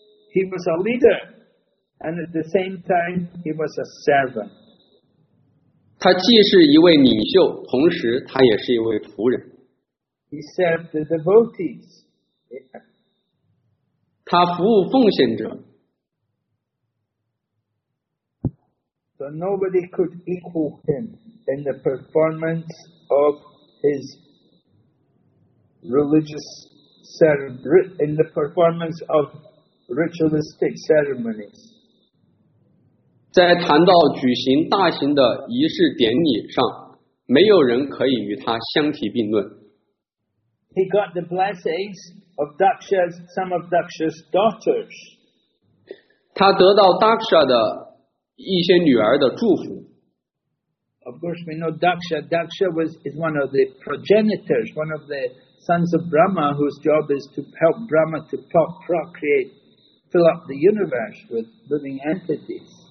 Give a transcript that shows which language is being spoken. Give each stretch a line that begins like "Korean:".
English: He was a leader, and at the same time, he was a servant.
Chinese: 他既是一位领袖，同时他也是一位仆人。
English: He served the devotees.
Chinese: 他服务奉献者。
English: So nobody could equal him in the performance of his. Religious ceremony in the performance of ritualistic ceremonies.
Chinese: 在谈到举行大型的仪式典礼上，没有人可以与他相提并论。
English: he got the blessings of Daksha's, some of Daksha's daughters.
Chinese: 他得到 Daksha 的一些女儿的祝福。
English: Of course, we know Daksha. Daksha was, is one of the progenitors, one of the sons of Brahma, whose job is to help Brahma to procreate, fill up the universe with living entities.